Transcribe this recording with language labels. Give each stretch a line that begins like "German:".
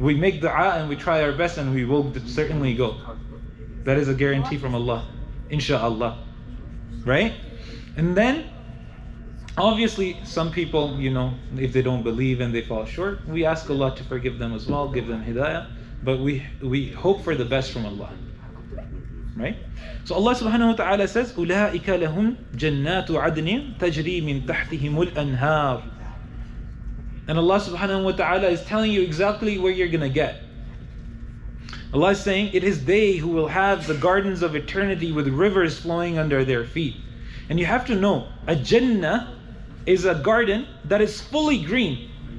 English: We make dua and we try our best, and we will certainly go. That is a guarantee from Allah, inshallah. Right? And then, obviously, some people, you know, if they don't believe and they fall short, we ask Allah to forgive them as well, give them hidayah. But we hope for the best from Allah. Right? So Allah subhanahu wa ta'ala says,
Arabic: أُولَٰئِكَ لَهُمْ جَنَّاتُ عَدْنٍ تَجْرِي مِنْ تَحْتِهِمُ الْأَنْهَارِ.
English: And Allah subhanahu wa ta'ala is telling you exactly where you're going to get. Allah is saying, it is they who will have the gardens of eternity with rivers flowing under their feet. And you have to know, a Jannah is a garden that is fully green.